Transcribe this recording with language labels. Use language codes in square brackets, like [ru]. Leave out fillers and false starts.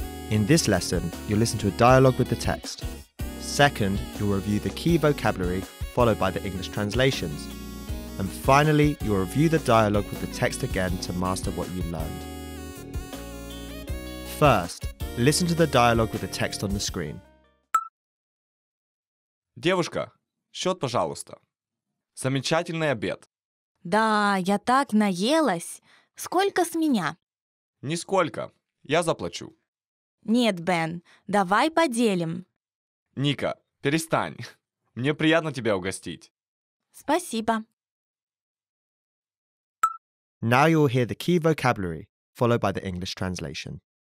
[en] In this lesson, you'll listen to a dialogue with the text. Second, you'll review the key vocabulary, followed by the English translations. And finally, you'll review the dialogue with the text again to master what you learned. First, listen to the dialogue with the text on the screen. [ru] Девушка, счет, пожалуйста. Замечательный обед. Да, я так наелась. Сколько с меня? Нисколько. Я заплачу. Нет, Бен, давай поделим. Ника, перестань. Мне приятно тебя угостить. Спасибо. [en] Now you'll hear the key vocabulary, followed by the English translation.